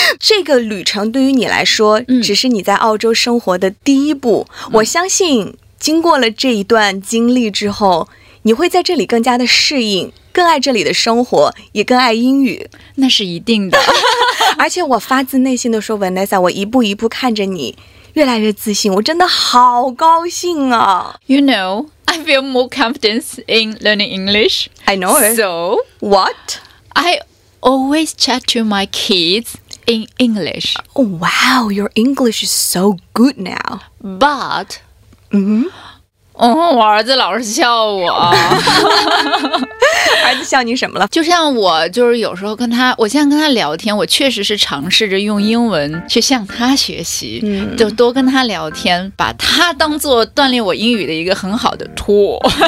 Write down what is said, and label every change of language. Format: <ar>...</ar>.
<zh>这个旅程对于你来说只是你在澳洲生活的第一步，我相信经过了这一段经历之后，你会在这里更加的适应，更爱这里的生活，也更爱英语。那是一定的。而且我发自内心的说， Vanessa， 我一步一步看着你越来越自信，我真的好高兴啊。</zh> <en>You know, I feel more confidence in learning English. I know it. So, what? I always chat to my kids in English. Oh, wow, your English is so good now.</en> <zh>But, 我儿子老是笑我。儿子笑你什么了？就像我就是有时候跟他，我现在跟他聊天，我确实是尝试着用英文去向他学习，就多跟他聊天，把他当做锻炼我英语的一个很好的 tool。</zh>